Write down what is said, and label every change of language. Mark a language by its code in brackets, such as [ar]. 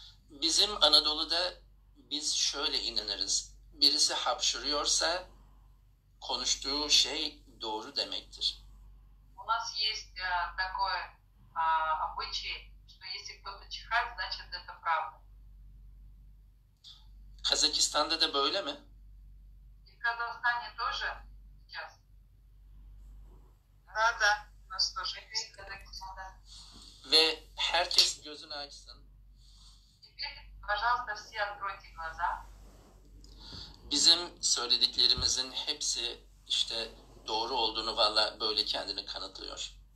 [tr] Bizim Anadolu'da biz şöyle inanırız. Birisi hapşırıyorsa konuştuğu şey doğru demektir. [ru] У нас есть такое обычай. Если кто-то чихает, значит это правда. Казахстан-то да [tr] böyle mi? [ru] И в Казахстане тоже сейчас. Да, да, у нас тоже есть Казахстан. [tr] Ve herkes gözünü açsın. [ru] Теперь, пожалуйста, все откройте глаза. [tr] Bizim söylediklerimizin hepsi işte doğru olduğunu valla böyle kendini kanıtlıyor.